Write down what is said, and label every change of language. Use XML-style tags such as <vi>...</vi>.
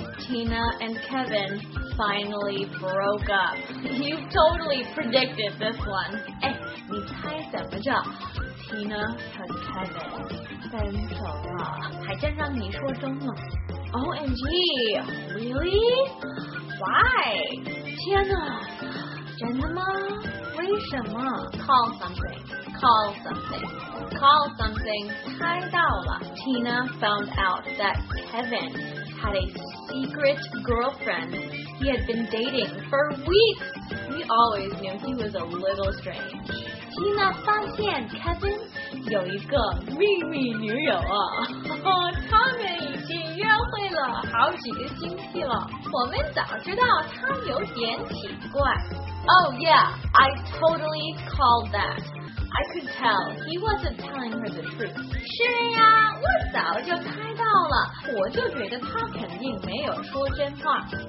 <en>Tina and Kevin finally broke up. You totally predicted this one.</en> <zh>哎，你猜怎么着？ Tina 和 Kevin 分手了，还真让你说中了。</zh> <en>OMG, really? Why?</en> <zh>天哪，真的吗？为什么？</zh> <en>Call something.</en> <zh>猜到了。</zh> <en>Tina found out that Kevin had a secret girlfriend he had been dating for weeks. We always knew he was a little strange.</en> <zh>Tina 发现 Kevin 有一个秘密女友啊，他们已经约会了好几个星期了。我们早知道他有点奇怪。</zh> <en>Oh yeah, I totally called that. I could tell he wasn't telling her the truth.</en> <zh>是呀，我早就猜到了，我就觉得他肯定没有说真话。</zh>